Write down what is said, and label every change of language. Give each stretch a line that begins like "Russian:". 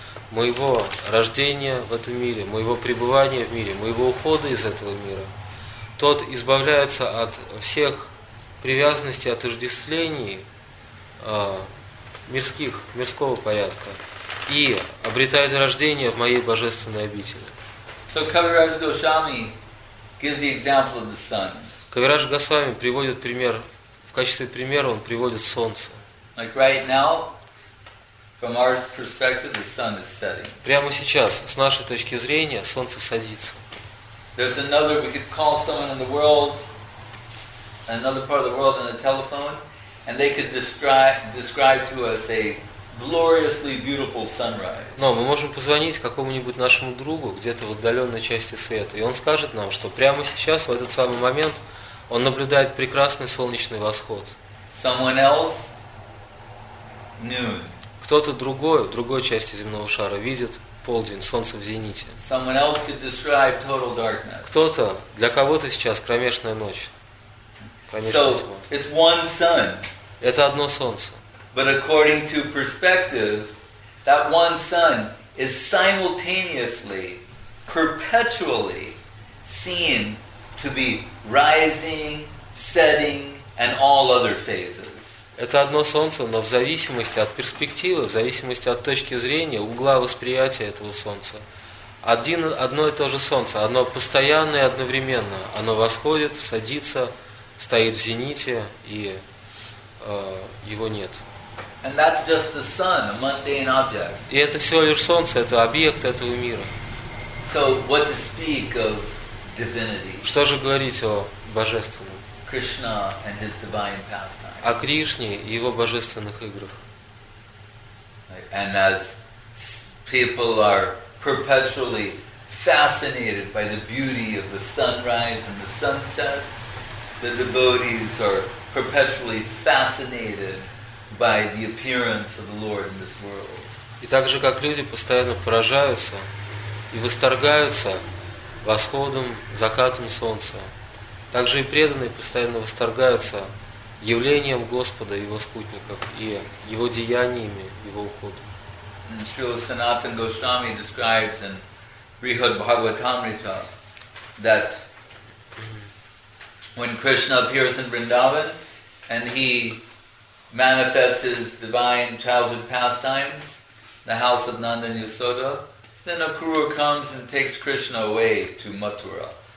Russian: моего рождения в этом мире, моего пребывания в мире, моего ухода из этого мира, тот избавляется от всех привязанностей, отождествлений мирского порядка и обретает рождение в моей божественной обители.
English: So Kaviraj Goswami gives the example of the sun.
Russian: Кавирадж Госвами приводит пример, в качестве примера он приводит солнце.
English: Like right now, from our perspective, the sun is setting.
Russian: Прямо сейчас, с нашей точки зрения, солнце садится.
English: There's another, we could call someone in the world, another part of the world on the telephone, and they could describe to us a gloriously beautiful sunrise.
Russian: Но мы можем позвонить какому-нибудь нашему другу где-то в отдаленной части света, и он скажет нам, что прямо сейчас, в этот самый момент, он наблюдает прекрасный солнечный восход.
English: Someone else, noon.
Russian: Кто-то другой, в другой части земного шара, видит полдень, солнце в зените.
English: Someone else could describe total darkness.
Russian: Кто-то, для кого-то сейчас кромешная ночь.
English: So, it's one sun.
Russian: Это одно солнце.
English: But according to perspective, that one sun is simultaneously, perpetually seen to be rising, setting, and all other phases.
Russian: Это одно солнце, но в зависимости от перспективы, в зависимости от точки зрения, угла восприятия этого солнца, одно и то же солнце, оно постоянно и одновременно, оно восходит, садится, стоит в зените, и его нет.
English: And that's just the sun, a mundane object.
Russian: И это всего лишь солнце, это объект этого мира.
English: So what to speak of divinity?
Russian: Что же говорить о божественном?
English: Krishna and his divine pastime.
Russian: О Кришне и его божественных играх.
English: And as people are perpetually fascinated by the beauty of the sunrise and the sunset, the devotees are perpetually fascinated by the appearance of the Lord in this world.
Russian: И так же, как люди постоянно поражаются и восторгаются восходом, закатом солнца, также и преданные постоянно восторгаются явлением Господа, Его спутников и Его деяниями, Его уходом.
English: Śrīla Sanātana Goswāmī describes in Brihad Bhāgavatamrita that when Krishna appears in Vrindavan and he manifests his divine childhood pastimes, the house of Nanda and Yasoda, then Akura comes and takes Krishna away to Mathura.